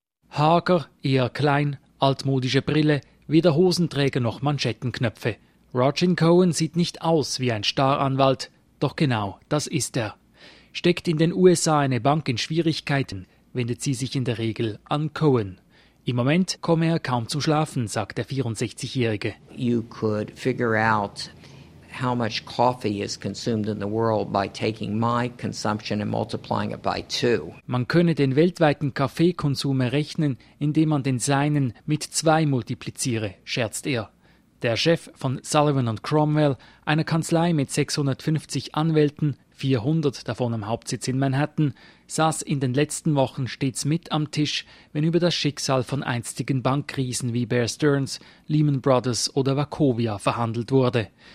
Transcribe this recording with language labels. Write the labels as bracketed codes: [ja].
[de] Hager, eher klein, altmodische Brille, weder Hosenträger noch Manschettenknöpfe. Roger Cohen sieht nicht aus wie ein Staranwalt, doch genau das ist er. Steckt in den USA eine Bank in Schwierigkeiten, wendet sie sich in der Regel an Cohen. Im Moment komme er kaum zum Schlafen, sagt der 64-Jährige. [en] You could figure out how much coffee is consumed in the world by taking my consumption and multiplying it by two. [de] Man könne den weltweiten Kaffeekonsum errechnen, indem man den seinen mit zwei multipliziere, scherzt er. Der Chef von Sullivan & Cromwell, einer Kanzlei mit 650 Anwälten, 400 davon am Hauptsitz in Manhattan, saß in den letzten Wochen stets mit am Tisch, wenn über das Schicksal von einstigen Bankriesen wie Bear Stearns, Lehman Brothers oder Wachovia verhandelt wurde.